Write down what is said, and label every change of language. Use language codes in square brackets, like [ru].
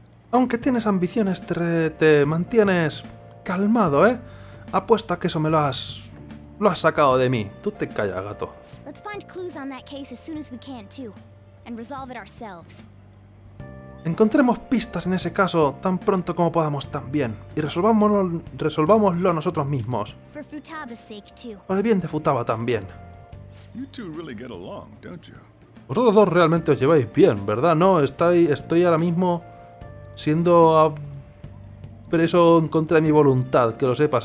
[es] Aunque tienes ambiciones, te mantienes calmado, ¿eh? Apuesto a que eso me lo has sacado de mí. Tú te callas, gato. [en] Let's find clues on that case as soon as we can too, and resolve it ourselves. [es] Encontremos pistas en ese caso tan pronto como podamos también, y resolvámoslo nosotros mismos. [en] For Futaba's sake too. [es] Por el bien de Futaba también. [en] You two really get along, don't you? [es] Vosotros dos realmente os lleváis bien, ¿verdad? No, estoy ahora mismo siendo preso en contra de mi voluntad, que lo sepas.